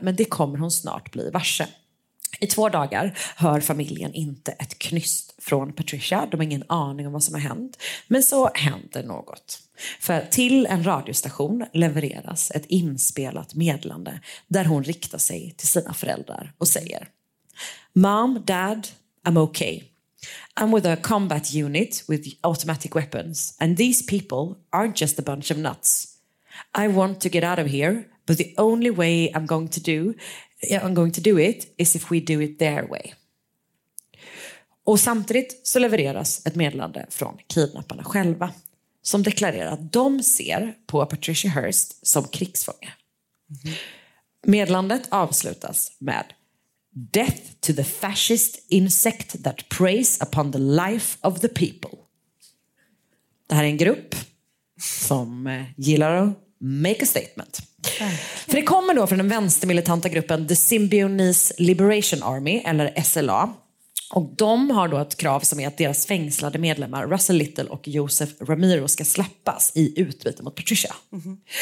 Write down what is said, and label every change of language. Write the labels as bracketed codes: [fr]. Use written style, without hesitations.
[sv] Men det kommer hon snart bli varse. I två dagar hör familjen inte ett knyst från Patricia. De har ingen aning om vad som har hänt. Men så händer något. För till en radiostation levereras ett inspelat meddelande där hon riktar sig till sina föräldrar och säger: [en] Mom, Dad, I'm okay. I'm with a combat unit with automatic weapons and these people aren't just a bunch of nuts. I want to get out of here, but the only way I'm going to do it is if we do it their way. [sv] Och samtidigt så levereras ett meddelande från kidnapparna själva. Som deklarerar att de ser på Patricia Hearst som krigsfånge. Medlandet avslutas med: [en] Death to the fascist insect that preys upon the life of the people. [sv] Det här är en grupp som gillar att [en] make a statement. [sv] För det kommer då från den vänstermilitanta gruppen The Symbionese Liberation Army, eller SLA. Och de har då ett krav som är att deras fängslade medlemmar Russell Little och Joseph Ramiro ska släppas i utbyte mot Patricia. Mm-hmm.